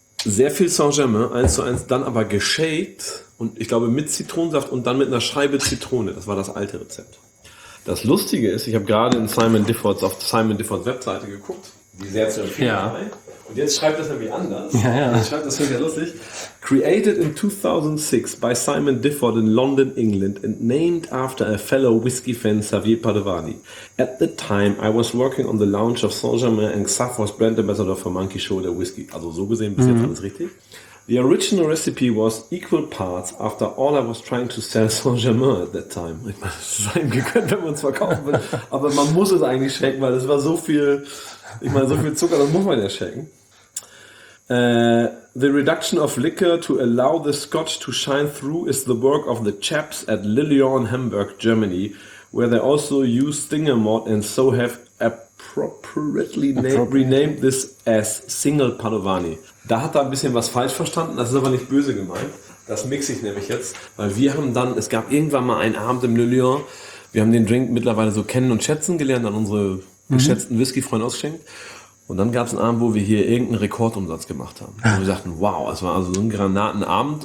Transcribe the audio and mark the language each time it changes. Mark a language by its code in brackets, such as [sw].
[de] Sehr viel Saint-Germain, 1:1, dann aber geshaked und ich glaube mit Zitronensaft und dann mit einer Scheibe Zitrone. Das war das alte Rezept. Das Lustige ist, ich habe gerade in Simon Difford's auf Simon Difford's Webseite geguckt, die sehr zu empfehlen war. Und jetzt schreibt das irgendwie anders. Ja, ja. Jetzt schreibt das irgendwie lustig. [en] Created in 2006 by Simon Difford in London, England and named after a fellow whisky fan, Xavier Padovani. At the time, I was working on the launch of Saint-Germain and Xavier's brand ambassador for Monkey Shoulder Whisky. [de] Also so gesehen, bis jetzt alles richtig. [en] The original recipe was equal parts after all I was trying to sell Saint-Germain at that time. [de] Ich meine, es ist einem gegönnt, wenn man es verkaufen will. Aber man muss es eigentlich shaken, weil es war so viel, ich meine, so viel Zucker, das muss man ja shaken. [en] The reduction of liquor to allow the scotch to shine through is the work of the chaps at Lillion, Hamburg, Germany, where they also use Stinger malt and so have appropriately renamed this as Single Padovani. [de] Da hat er ein bisschen was falsch verstanden, das ist aber nicht böse gemeint. Das mixe ich nämlich jetzt, weil wir haben dann, es gab irgendwann mal einen Abend im Le Lion, wir haben den Drink mittlerweile so kennen und schätzen gelernt, an unsere geschätzten Whisky-Freunde ausgeschenkt. Und dann gab es einen Abend, wo wir hier irgendeinen Rekordumsatz gemacht haben. Und wir sagten, wow, es war also so ein Granatenabend.